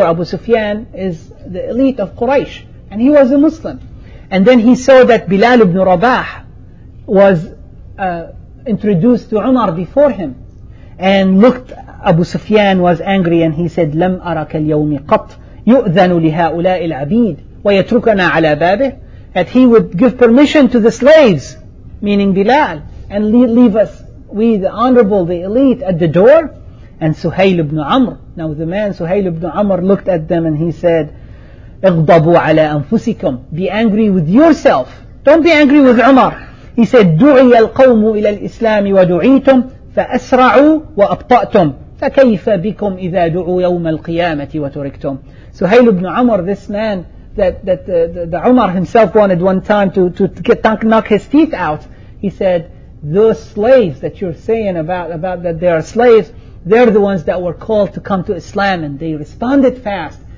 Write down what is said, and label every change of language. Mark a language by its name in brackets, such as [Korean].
[English] Abu Sufyan is the elite of Quraysh, and he was a Muslim. And then he saw that Bilal ibn Rabah was introduced to Umar before him, and looked, Abu Sufyan was angry, and he said, [Arabic] لم أرك اليوم قط يؤذن لهؤلاء العبيد ويتركنا على بابه. [English] That he would give permission to the slaves, meaning Bilal, and leave us, we the honorable, the elite, at the door. And Suhail ibn Amr, now the man Suhail ibn Amr looked at them and he said, [Arabic] اغضبوا على أنفسكم, [English] be angry with yourself, don't be angry with Umar. He said, [Arabic] دعي القوم إلى الإسلام ودعيتم فأسرعوا وأبطأتم فكيف بكم إذا دعوا يوم القيامة وتركتم. [English] Suhail ibn Amr, this man that Umar himself wanted one time to knock his teeth out, he said, those slaves that you're saying about that they are slaves, they're the ones that were called to come to Islam and they responded fast.